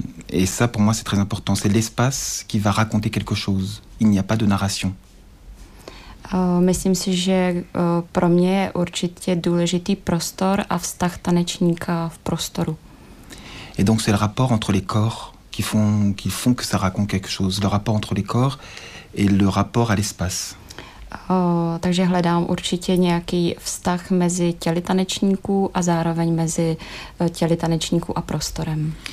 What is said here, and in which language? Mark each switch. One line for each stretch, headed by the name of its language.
French: Et ça, pour moi, c'est très important. C'est l'espace qui va raconter quelque chose. Il n'y a pas de narration.
Czech: Myslím si, že pro mě je určitě důležitý prostor a vztah tanečníka v prostoru.
French: Et donc, c'est le rapport entre les corps qui font que ça raconte quelque chose. Le rapport entre les corps et le rapport à l'espace.
Czech: Takže hledám určitě nějaký vztah mezi těly tanečníků a zároveň mezi těly tanečníků a prostorem.